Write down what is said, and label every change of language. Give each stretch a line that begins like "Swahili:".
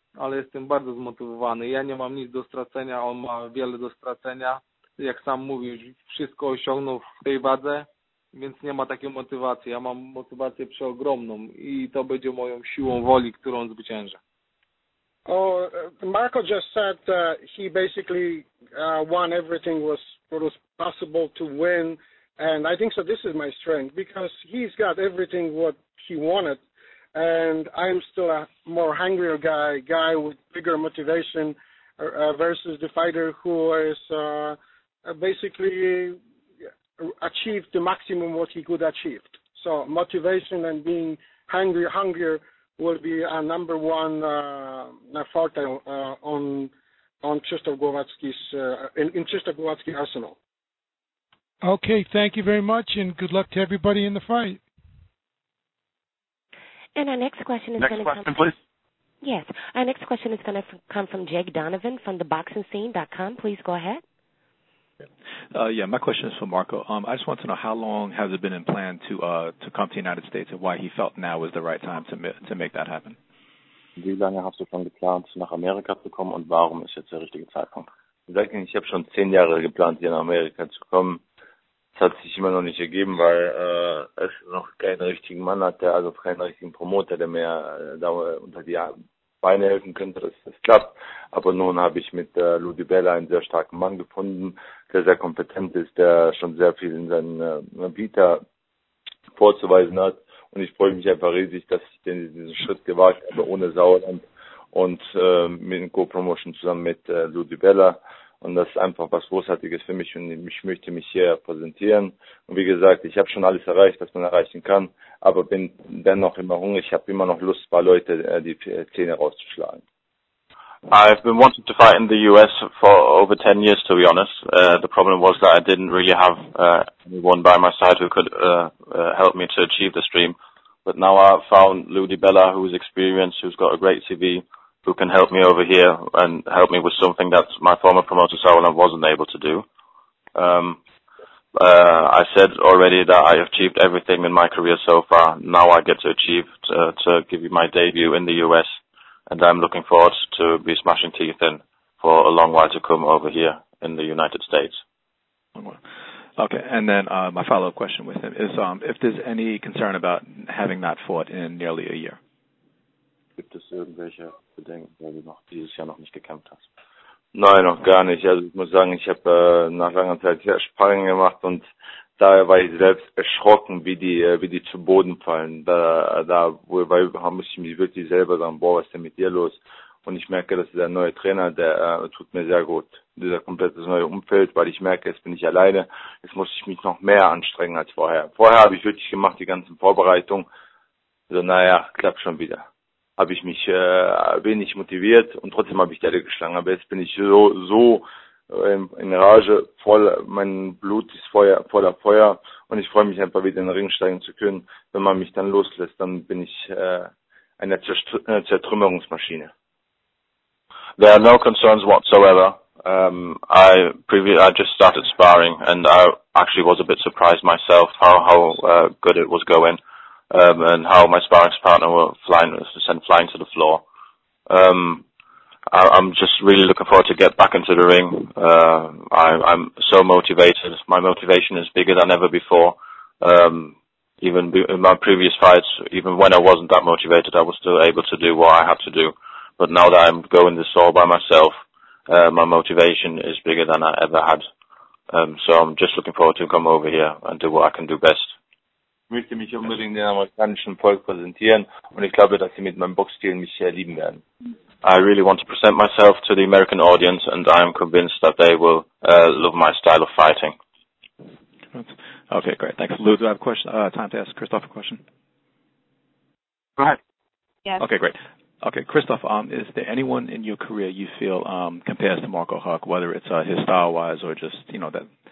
Polish: ale jestem bardzo zmotywowany. Ja nie mam nic do stracenia, on ma wiele do stracenia. Jak sam mówisz, wszystko osiągnął w tej wadze, więc nie ma takiej motywacji. Ja mam motywację przeogromną i to będzie moją siłą woli, którą zwyciężę.
English: Marco just said that he basically won everything was possible to win, and I think so this is my strength, because he's got everything what he wanted, and I'm still a more hungrier guy with bigger motivation versus the fighter who is basically achieved the maximum what he could achieve. So motivation and being hungrier will be a number one forte on Krzysztof Głowacki's in Krzysztof Głowacki arsenal. Okay, thank you very much, and good luck to everybody in the fight. And our next question is going to come. Next question, please. Yes, our next question is going to come from Jake Donovan from theboxingscene.com. Please go ahead. Yeah, my question is for Marco. I just want to know, how long has it been in plan to come to the United States, and why he felt now was the right time to make that happen?
German: Wie lange hast du schon geplant, nach Amerika zu kommen, und warum ist jetzt der richtige Zeitpunkt? Ich habe schon 10 Jahre geplant, hier nach Amerika zu kommen. Es hat sich immer noch nicht ergeben, weil es noch keinen richtigen Mann hatte, also keinen richtigen Promoter, der mir da unter die Beine helfen könnte, dass es klappt. Aber nun habe ich mit Ludi Bella einen sehr starken Mann gefunden, der sehr kompetent ist, der schon sehr viel in seinen Vita vorzuweisen hat. Und ich freue mich einfach riesig, dass ich diesen Schritt gewagt habe, ohne Sauerland und mit Co-Promotion zusammen mit Ludi Bella. Und das ist einfach was Großartiges für mich, und ich möchte mich hier präsentieren. Und wie gesagt, ich habe schon alles erreicht, was man erreichen kann, aber bin dennoch immer hungrig. Ich habe immer noch Lust, ein paar Leute die Zähne rauszuschlagen.
English: I've been wanting to fight in the US for over 10 years, to be honest. The problem was that I didn't really have anyone by my side who could help me to achieve this dream. But now I've found Ludi Bella, who's experienced, who's got a great CV, who can help me over here and help me with something that my former promoter Sauerland wasn't able to do. I said already that I achieved everything in my career so far. Now I get to achieve to give you my debut in the US, and I'm looking forward to be smashing teeth in for a long while to come over here in the United States. Okay, and then my follow-up question with him is if there's any concern about having not fought in nearly a year.
German: Gibt es irgendwelche Bedenken, weil du noch dieses Jahr noch nicht gekämpft hast? Nein, noch gar nicht. Also ich muss sagen, ich habe nach langer Zeit sehr Sprangen gemacht, und da war ich selbst erschrocken, wie die zu Boden fallen. Da muss ich mich wirklich selber sagen, boah, was ist denn mit dir los? Und ich merke, dass der neue Trainer, der tut mir sehr gut, dieser komplette neue Umfeld, weil ich merke, jetzt bin ich alleine, jetzt muss ich mich noch mehr anstrengen als vorher. Vorher habe ich wirklich gemacht, die ganzen Vorbereitungen, also naja, klappt schon wieder. Habe ich mich wenig motiviert, und trotzdem habe ich Delle geschlagen. Aber jetzt bin ich so in Rage, voll, mein Blut ist voller Feuer, und ich freue mich einfach wieder in den Ring steigen zu können. Wenn man mich dann loslässt, dann bin ich eine Zertrümmerungsmaschine.
English: There are no concerns whatsoever. I just started sparring, and I actually was a bit surprised myself how good it was going. And how my sparring partner were sent flying to the floor. I'm just really looking forward to get back into the ring. I'm so motivated. My motivation is bigger than ever before. Even in my previous fights, even when I wasn't that motivated, I was still able to do what I had to do. But now that I'm going this all by myself, my motivation is bigger than I ever had. So I'm just looking forward to come over here and do what I can do best.
German: Ich möchte mich unbedingt dem amerikanischen Volk präsentieren, und ich glaube, dass sie mit meinem Boxstil mich sehr lieben werden.
English: I really want to present myself to the American audience, and I am convinced that they will love my style of fighting. Okay, great. Thanks. Lou, do I have a question? Time to ask Christoph a question. Go ahead. Yes. Okay, great. Okay, Christoph, is there anyone in your career you feel compares to Marco Huck, whether it's his style-wise or just, you know, that...